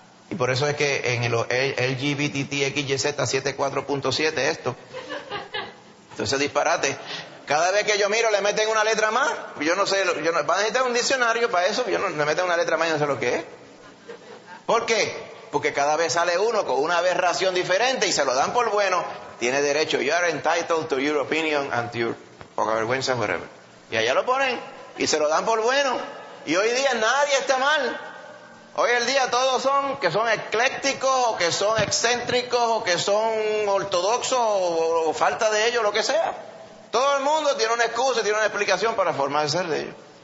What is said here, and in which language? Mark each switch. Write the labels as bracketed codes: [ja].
[es] Y por eso es que en el LGBTXYZ74.7 esto. Entonces, disparate. Cada vez que yo miro, le meten una letra más. Yo no sé, va a necesitar un diccionario para eso. Yo no le meten una letra más y no sé lo que es. ¿Por qué? Porque cada vez sale uno con una aberración diferente y se lo dan por bueno. Tiene derecho. [en] You are entitled to your opinion and to your [es] poca vergüenza, [en] whatever. [es] Y allá lo ponen y se lo dan por bueno. Y hoy día nadie está mal. Hoy el día todos son que son eclécticos o que son excéntricos o que son ortodoxos o falta de ellos, lo que sea. Todo el mundo tiene una excusa, tiene una explicación para formar el ser de ellos.